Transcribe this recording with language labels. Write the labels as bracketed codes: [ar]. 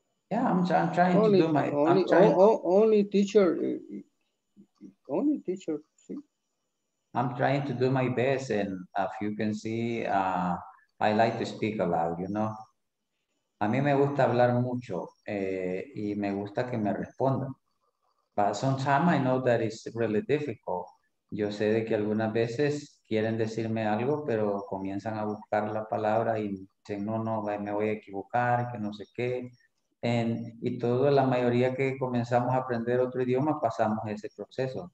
[en] Yeah, I'm trying to do my best. See? I'm trying to do my best, and as you can see, I like to speak a lot, you know. [es] A mí me gusta hablar mucho, y me gusta que me respondan. [en] But sometimes I know that it's really difficult. [es] Yo sé de que algunas veces quieren decirme algo, pero comienzan a buscar la palabra y dicen, no, me voy a equivocar, que no sé qué. Y toda la mayoría que comenzamos a aprender otro idioma, pasamos ese proceso.